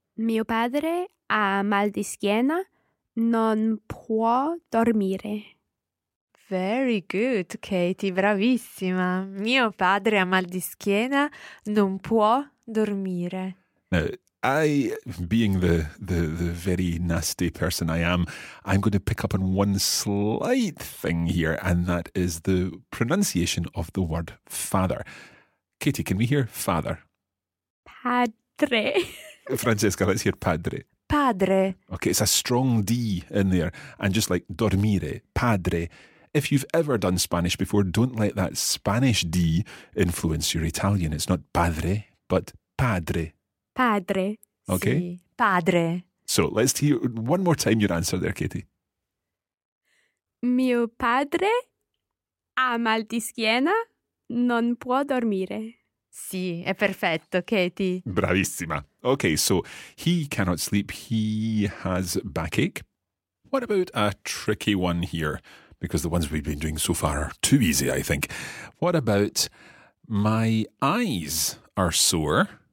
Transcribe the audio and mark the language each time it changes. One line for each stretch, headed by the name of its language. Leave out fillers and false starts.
Italian: Mio padre ha mal di schiena, non può dormire.
English: Very good, Katie, bravissima.
Italian: Mio padre ha mal di schiena, non può dormire.
English: Now, I, being the very nasty person I am, I'm going to pick up on one slight thing here, and that is the pronunciation of the word father. Katie, can we hear father?
Italian: Padre.
English: Francesca, let's hear padre.
Italian: padre.
English: Okay, it's a strong D in there. And just like dormire, padre. If you've ever done Spanish before, don't let that Spanish D influence your Italian. It's not padre, but padre.
Italian: Padre.
English: Okay.
Italian: Sí. Padre.
English: So let's hear one more time your answer there, Katie.
Italian: Mio padre ha mal di schiena, non può dormire. Sì, è perfetto, Katie. Bravissima.
English: Okay, so he cannot sleep, he has backache. What about a tricky one here? Because the ones we've been doing so far are too easy, I think. What about my eyes are sore?